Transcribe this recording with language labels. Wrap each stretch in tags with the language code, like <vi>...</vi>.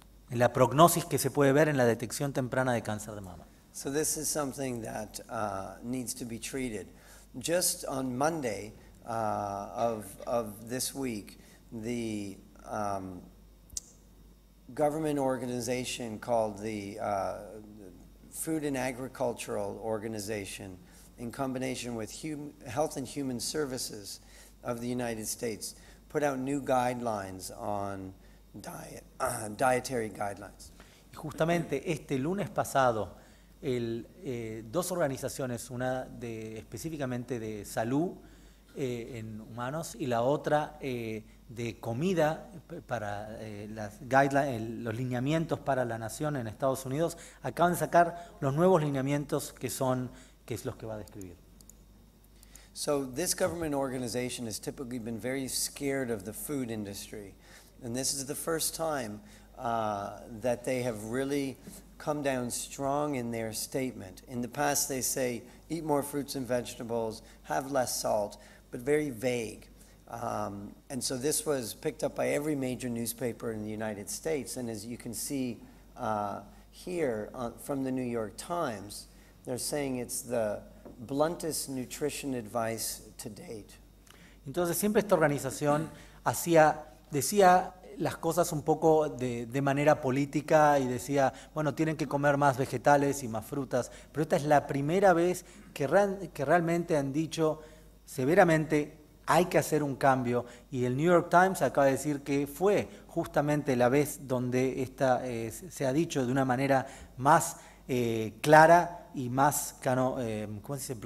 <es>En la prognosis que se puede ver en la detección temprana de cáncer de mama.</es> <en>So this is something that needs to be treated. Just on Monday of this week, the government organization called the Food and Agricultural Organization, in combination with Health and Human Services of the United States, put out new guidelines on dietary guidelines.</en> <es>Y justamente este lunes pasado, dos organizaciones, una de específicamente de salud en humanos y la otra de comida para las guidelines, los lineamientos para la nación en Estados Unidos, acaban de sacar los nuevos lineamientos que son, que es los que va a describir.</es> <en>So this government organization has typically been very scared of the food industry, and this is the first time that they have really come down strong in their statement. In the past, they say, eat more fruits and vegetables, have less salt, but very vague. And so this was picked up by every major newspaper in the United States. And as you can see here from the New York Times, they're saying it's the bluntest nutrition advice to date.</en> <es>Entonces, siempre esta organización decía las cosas un poco de manera política y decía, bueno, tienen que comer más vegetales y más frutas, pero esta es la primera vez que realmente han dicho severamente hay que hacer un cambio, y el New York Times acaba de decir que fue justamente la vez donde esta se ha dicho de una manera más clara y más ¿cómo se dice?</es>